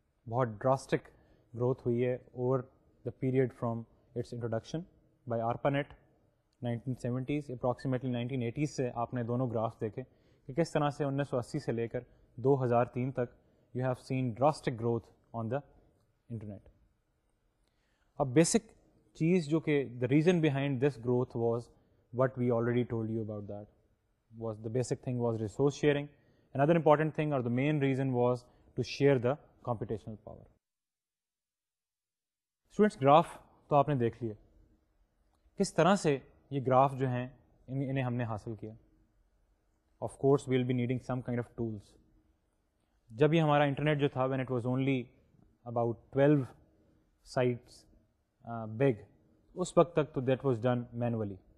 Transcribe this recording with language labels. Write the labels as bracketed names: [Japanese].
[Urdu] بہت drastic growth ہوئی ہے [English] over the period from its introduction by ARPANET [Urdu] 1970s approximately 1980s سے آپ نے دونوں گراف دیکھے کہ کس طرح سے 1980 سے لے کر 2003 تک [English] You have seen drastic growth on the internet. [Urdu] اب بیسک چیز جو کہ [English] The reason behind this growth was what we already told you about that was the basic thing was resource sharing. Another important thing اور the main reason was to share the computational power. [Urdu] Students graph تو آپ نے دیکھ لیا کس طرح سے یہ گراف جو ہیں انہیں ہم نے حاصل کیا. [English] Of course we'll be needing some kind of tools. [Urdu] جب یہ ہمارا انٹرنیٹ جو تھا [English] when it was only about 12 sites big [Urdu] اس وقت تک تو [English] That was done manually.